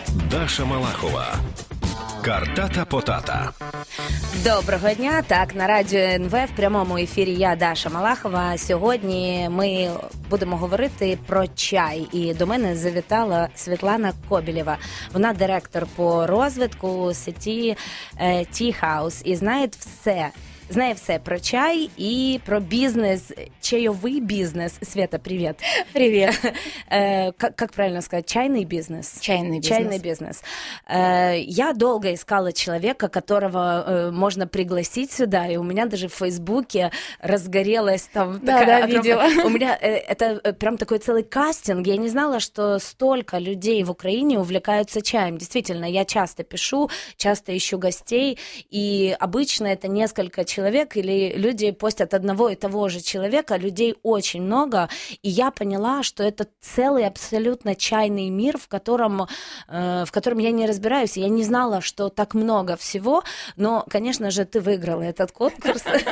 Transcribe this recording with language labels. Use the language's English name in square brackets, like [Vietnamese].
[Ukrainian] Даша Малахова. Картата потата. Доброго дня. Так, на радіо НВ в прямому ефірі я, Даша Малахова. Сьогодні ми будемо говорити про чай. І до мене завітала Світлана Кобілєва. Вона директор по розвитку сеті Tea House і знає все. Знає все про чай і про бізнес, чайовий бізнес. Свята, привіт. Привіт. Як правильно сказати? Чайний бізнес? Чайний бізнес. Чайний бізнес. Я довго [Russian] искала [Ukrainian] чоловіка, [Russian] которого [Ukrainian] можна [Russian] пригласить сюда, [Ukrainian] і у мене даже в Фейсбуці розгорілась там така [Russian] да, видела. У мене это прям такой целый кастинг. Я не знала, что столько людей в Украине увлекаются чаем. Действительно, я часто пишу, часто ищу гостей, и обычно это несколько человек или люди постят одного и того же человека, людей очень много, и я поняла, что это целый абсолютно чайный мир, в котором я не разбираюсь, я не знала, что так много всего, но, конечно же, ты выиграла этот конкурс.